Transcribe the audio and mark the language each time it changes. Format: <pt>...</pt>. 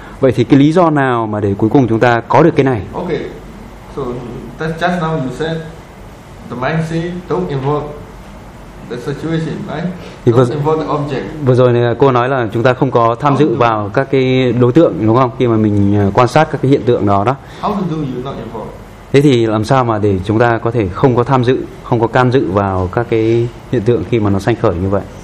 <vi>Vậy thì cái lý do nào mà để cuối cùng chúng ta có được cái này?</vi> <en>Okay, so that just now you said the mind say don't involve the situation, right? Don't involve the object.</en> <vi>Vừa rồi này cô nói là chúng ta không có tham dự vào các cái đối tượng, đúng không? Khi mà mình quan sát các cái hiện tượng đó.</vi> <en>How to do you not involve?</en> <vi>Thế thì làm sao mà để chúng ta có thể không có tham dự, không có can dự vào các cái hiện tượng khi mà nó sanh khởi như vậy?</vi>